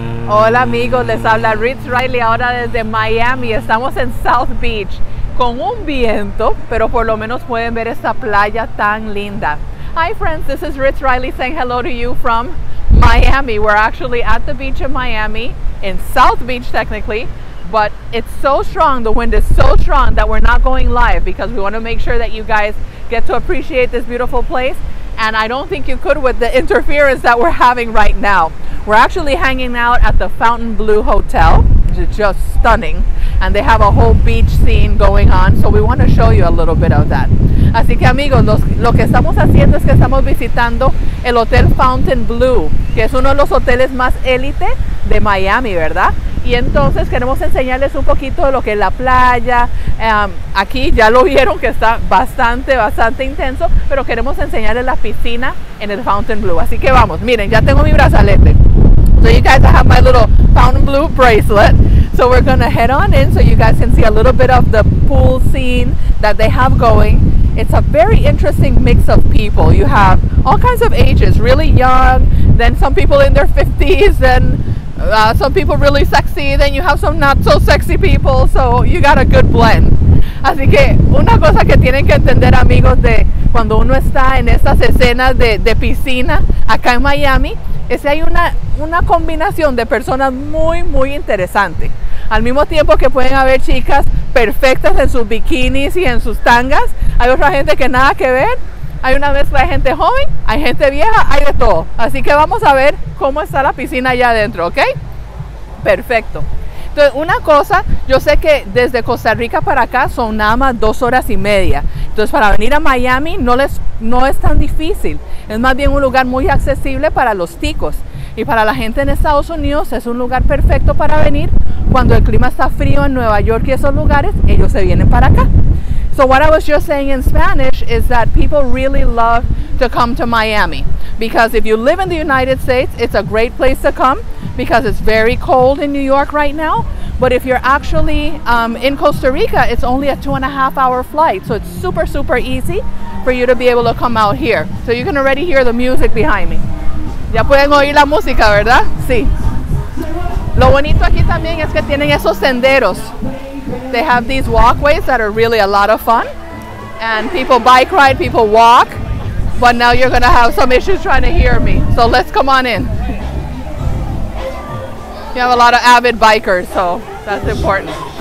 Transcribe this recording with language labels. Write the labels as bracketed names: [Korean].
[Spanish] Hola amigos, les habla Ritz Riley ahora desde Miami. Estamos en South Beach con un viento, pero por lo menos pueden ver esta playa tan linda. [English] Hi friends, this is Ritz Riley saying hello to you from Miami. We're actually at the beach in Miami, in South Beach technically, but it's so strong, the wind is so strong that we're not going live because we want to make sure that you guys get to appreciate this beautiful place. And I don't think you could with the interference that we're having right now. We're actually hanging out at the Fontainebleau Hotel, which is just stunning. And they have a whole beach scene going on, so we want to show you a little bit of that. [Spanish] Así que amigos, lo que estamos haciendo es que estamos visitando el Hotel Fontainebleau, que es uno de los hoteles más élite de Miami, ¿verdad? Y entonces queremos enseñarles un poquito de lo que es la playa. Aquí ya lo vieron que está bastante, bastante intenso, pero queremos enseñarles la piscina en el Fontainebleau. Así que vamos, miren, ya tengo mi brazalete. [English] So you guys have my little Fontainebleau bracelet. So we're gonna head on in so you guys can see a little bit of the pool scene that they have going. It's a very interesting mix of people. You have all kinds of ages, really young, then some people in their 50s, then some people really sexy, then you have some not so sexy people, so you got a good blend. [Spanish] Así que una cosa que tienen que entender, amigos, de cuando uno está en estas escenas de piscina acá en Miami, es que hay una combinación de personas muy, muy interesante. Al mismo tiempo que pueden haber chicas perfectas en sus bikinis y en sus tangas, hay otra gente que nada que ver. Hay una mezcla de gente joven, hay gente vieja, hay de todo. Así que vamos a ver cómo está la piscina allá adentro, ¿ok? Perfecto. Entonces, una cosa, yo sé que desde Costa Rica para acá son nada más 2 horas y media. Entonces, para venir a Miami no es tan difícil. Es más bien un lugar muy accesible para los ticos. Y para la gente en Estados Unidos es un lugar perfecto para venir. Cuando el clima está frío en Nueva York y esos lugares, ellos se vienen para acá. [English] So what I was just saying in Spanish is that people really love to come to Miami because if you live in the United States, it's a great place to come because it's very cold in New York right now. But if you're actually in Costa Rica, it's only a 2.5 hour flight. So it's super, super easy for you to be able to come out here. So you can already hear the music behind me. [Spanish] Ya pueden oír la música, ¿verdad? Sí. Lo bonito aquí también es que tienen esos senderos. [English] They have these walkways that are really a lot of fun. And people bike ride, people walk. But now you're gonna have some issues trying to hear me. So let's come on in. You have a lot of avid bikers, so that's important.